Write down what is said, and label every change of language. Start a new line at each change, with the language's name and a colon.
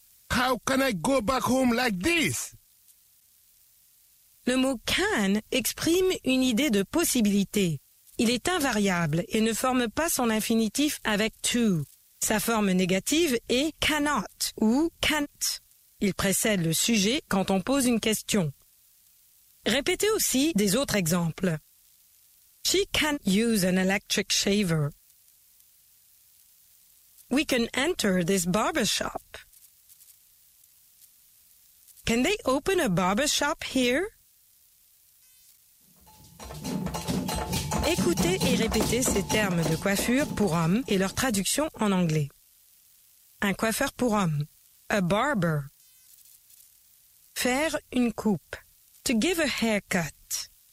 English: How can I go back home like this?
French: Le mot can exprime une idée de possibilité. Il est invariable et ne forme pas son infinitif avec to. Sa forme négative est cannot ou can't. Il précède le sujet quand on pose une question. Répétez aussi des autres exemples.
English: She can use an electric shaver. We can enter this barbershop. Can they open a barbershop here?
French: Écoutez et répétez ces termes de coiffure pour hommes et leur traduction en anglais. Un coiffeur pour hommes.
English: A barber.
French: Faire une coupe.
English: To give a haircut.